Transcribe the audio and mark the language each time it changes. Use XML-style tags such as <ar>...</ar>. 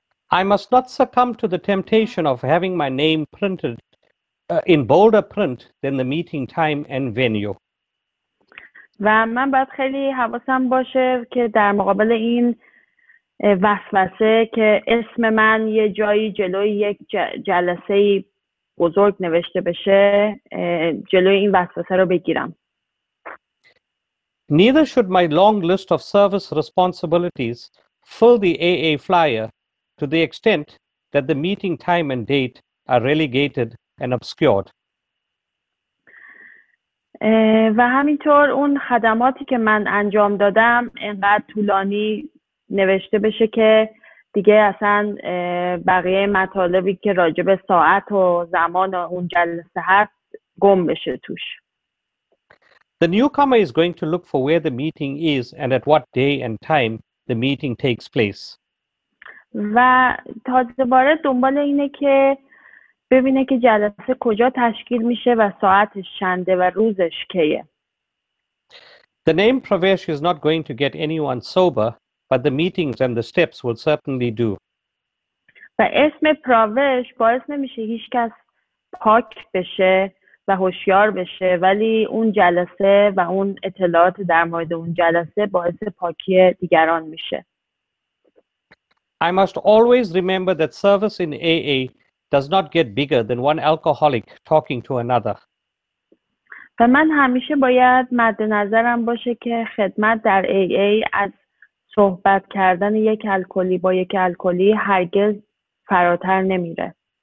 <en>I must not succumb to the temptation of having my name printed in bolder print than the meeting time and venue.</en> <fa>و من باید خیلی حواسم باشه که در مقابل این وسوسه که اسم من یه جایی جلوی یک جلسه بزرگ نوشته بشه جلوی این وسوسه رو بگیرم.</fa> <en>Neither should my long list of service responsibilities fill the AA flyer to the extent that the meeting time and date are relegated and obscured.</en> <fa>و همینطور اون خدماتی که من انجام دادم اینقدر طولانی نوشته بشه که دیگه اصلا بقیه مطالبی که راجب ساعت و زمان و اون جلسه هست گم بشه توش.</fa> <en>The newcomer is going to look for where the meeting is and at what day and time the meeting takes place.</en> <fa>و تازه وارد دنبال اینه که ببینه که جلسه کجا تشکیل میشه و ساعتش چنده و روزش کیه.</fa> <en>The name Pravesh is not going to get anyone sober. But the meetings and the steps will certainly do.</en> <fa>و اسم پراوش باعث نمیشه هیچ کس پاک بشه و هوشیار بشه ولی اون جلسه و اون اطلاعات در مورد اون جلسه باعث پاکی دیگران میشه.</fa> <en>I must always remember that service in AA does not get bigger than one alcoholic talking to another.</en> <fa>و من همیشه باید مد نظرم باشه که خدمت در AA از صحبت کردن یک الکلی با یک الکلی هرگز فراتر نمیره.</fa>